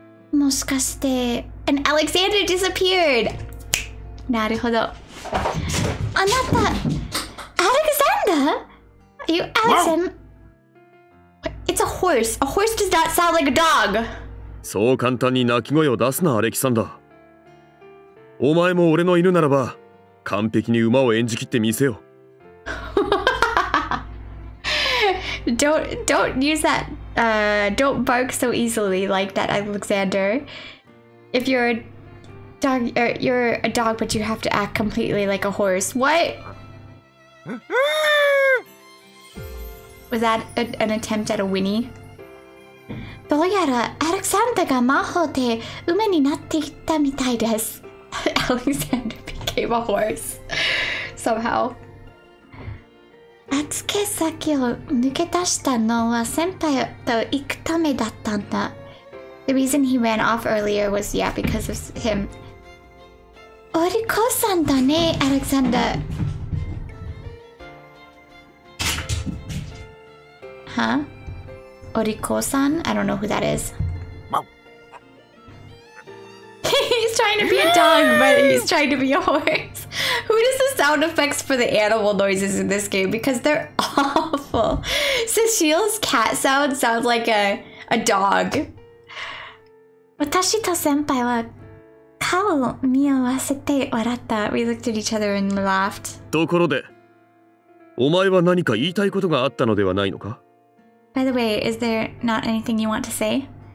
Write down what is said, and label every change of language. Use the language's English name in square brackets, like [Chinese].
[Japanese] もしかして [English] And Alexander disappeared! [Japanese] なるほど。あなた Alexander? [English] Are you Alexander? It's a horse. A horse does not sound like a dog. [Japanese] そう簡単に鳴き声を出すな、アレキサンダー。お前も俺の犬ならば、完璧に馬を演じ切ってみせよ。 [English] don't use that. Don't bark so easily like that, Alexander. If you're a dog, you're a dog, but you have to act completely like a horse. What? Was that an attempt at a whinny? [Japanese] どうやらアレクサンダーが魔法で馬になっていったみたいです。 [English] Alexander became a horse somehow。 [Japanese] 預け先を抜け出したのは先輩と行くためだったんだ。 [English] The reason he ran off earlier was, yeah, because of him. [Japanese] お利口さんだね、アレクサンダー。は？お利口さん？ [English] I don't know who that is. He's trying to be a dog, but he's trying to be a horse. Who does the sound effects for the animal noises in this game? Because they're awful. Cecile's cat sound sounds like a dog. [Japanese] 私と先輩は顔を見合わせて笑った。 [English] We looked at each other and laughed. [Japanese] ところで、お前は何か言いたいことがあったのではないのか? [English] By the way, is there not anything you want to say?